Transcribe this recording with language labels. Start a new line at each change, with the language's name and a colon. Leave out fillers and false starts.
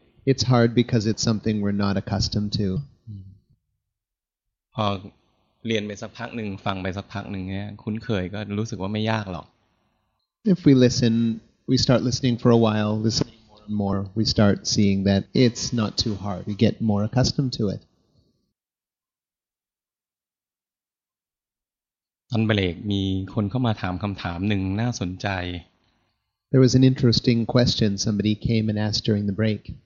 English: It's hard because it's something we're not accustomed to.
Thai: พอเรียนไปสักพักหนึ่งฟังไปสักพักหนึ่งเนี่ยคุ้นเคยก็รู้สึกว่าไม่ยากหรอก
English: If we listen, we start listening for a while, listening more and more, we start seeing that it's not too hard. We get more accustomed to it.
Thai: ตอนเบรกมีคนเข้ามาถามคำถามหนึ่งน่าสนใจ
English: There was an interesting question somebody came and asked during the break.